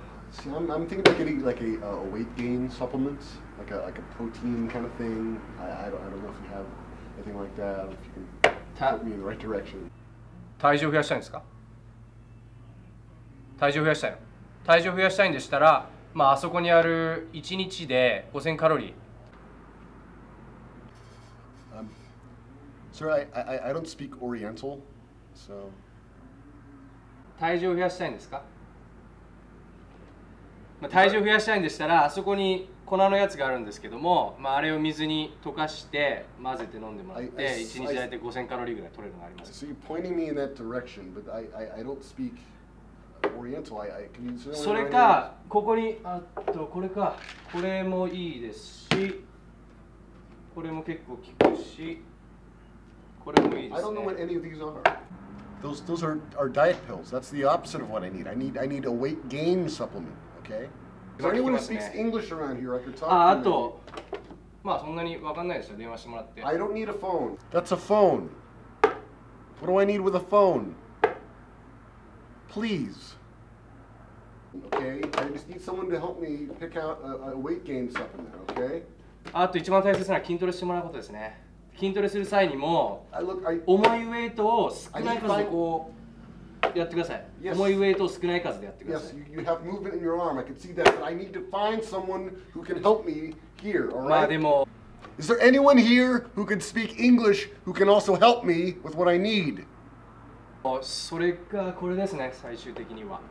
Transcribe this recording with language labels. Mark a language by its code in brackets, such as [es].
[en] See, I'm thinking about getting like a weight gain supplement, like a protein kind of thing. I don't know if you have anything like that. If you can tap me in the right direction. [ja] 体重増やしたいんですか？体重増やしたいの？体重増やしたいんでしたら、まああそこにある1日で5000カロリー。 [en] Sir, I don't speak Oriental, so. [ja] 体重増やしたいんですか？まあ、体重増やしたいんでしたら、あそこに粉のやつがあるんですけども、まあ、あれを水に溶かして混ぜて飲んでもらって、1日大体5000カロリーぐらい取れるのがあります。 [en] So you're pointing me in that direction, but I don't speak Oriental. Can you [ja] それ、それか、ここに、あと、これか、これもいいですし、これも結構効くし、これもいいですね。 [en] I don't know what any of these are. Those are diet pills. That's the opposite of what I need. I need a weight gain supplement, okay? Is there anyone who speaks English around here? I could talk to you. [ja] あと、まあそんなにわかんないですよ。電話してもらって。 [en] I don't need a phone. That's a phone. What do I need with a phone? Please. Okay, I just need someone to help me pick out a weight gain supplement, okay? [ja] あと一番大切なのは筋トレしてもらうことですね。筋トレする際にも重いウェイトを少ない数でこうやってください。重いウェイトを少ない数でやってください。 [en] Yes, you have movement in your arm. I can see that, but I need to find someone who can help me here, all right? [ja] まあでも、 [en] Is there anyone here who can speak English who can also help me with what I need? [ja] それがこれですね、最終的には。